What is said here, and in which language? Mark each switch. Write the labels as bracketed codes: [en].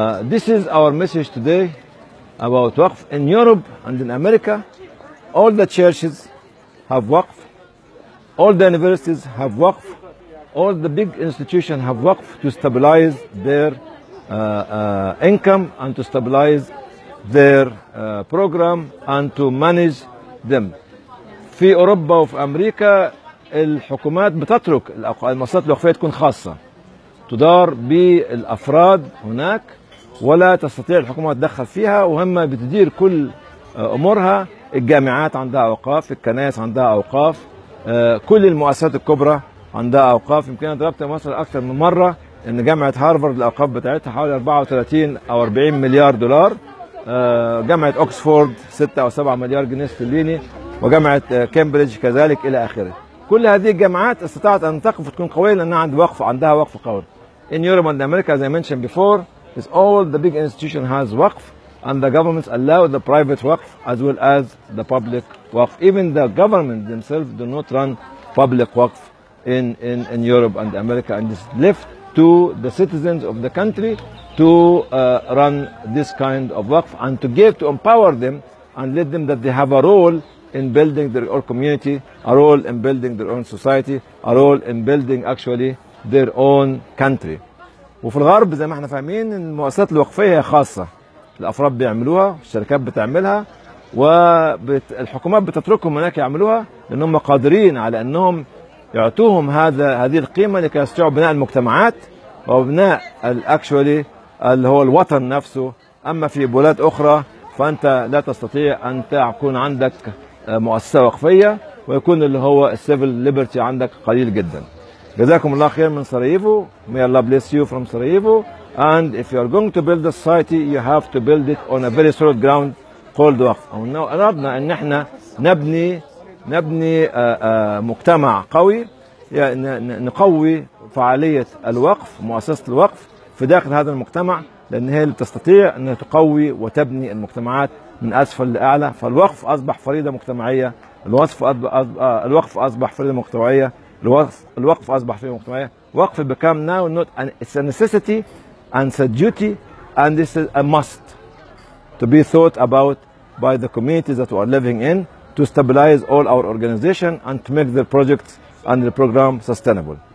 [en] This is our message today about waqf. In Europe and in America, all the churches have waqf, all the universities have waqf, all the big institutions have waqf to stabilize their income and to stabilize their program and to manage them. [ar] في أوروبا وفي أمريكا الحكومات بتترك المؤسسات الوقفية تكون خاصة, تدار بالأفراد هناك ولا تستطيع الحكومة تدخل فيها, وهم بتدير كل أمورها. الجامعات عندها أوقاف, الكنائس عندها أوقاف, كل المؤسسات الكبرى عندها أوقاف. يمكن أنا ضربت مصر أكثر من مرة أن جامعة هارفارد الأوقاف بتاعتها حوالي 34 أو 40 مليار دولار, جامعة أوكسفورد 6 أو 7 مليار جنيه استرليني, وجامعة كامبريدج كذلك إلى آخره. كل هذه الجامعات استطاعت أن تقف وتكون قوية لأنها عندها وقف قوي. [en] In Europe and America, as I mentioned before, is all the big institution has waqf, and the governments allow the private waqf as well as the public waqf. Even the government themselves do not run public waqf in Europe and America, and it's left to the citizens of the country to run this kind of waqf and to give, to empower them and let them that they have a role in building their own community, a role in building their own society, a role in building actually their own country. [ar] وفي الغرب زي ما احنا فاهمين المؤسسات الوقفية هي خاصة, الأفراد بيعملوها والشركات بتعملها والحكومات بتتركهم هناك يعملوها, لأنهم قادرين على أنهم يعطوهم هذه القيمة لكي يستطيعوا بناء المجتمعات وبناء الأكشولي اللي هو الوطن نفسه. أما في بلاد أخرى فأنت لا تستطيع أن تكون عندك مؤسسة وقفية ويكون اللي هو [en] السيفل ليبرتي [ar] عندك قليل جدا. جزاكم الله خير من سراييفو. [en] May Allah bless you from Sarajevo. And if you are going to build a society, you have to build it on a very solid ground called وقف. [ar] أردنا أن احنا نبني مجتمع قوي، يعني نقوي فعالية الوقف، مؤسسة الوقف في داخل هذا المجتمع، لأن هي اللي تستطيع أن تقوي وتبني المجتمعات من أسفل لأعلى. فالوقف أصبح فريدة مجتمعية، الوقف أصبح فريدة مجتمعية، الوقف أصبح فريدة مجتمعية. [en] وقف become now not an, it's a necessity and it's a duty and this is a must to be thought about by the communities that we are living in to stabilize all our organization and to make the projects and the program sustainable.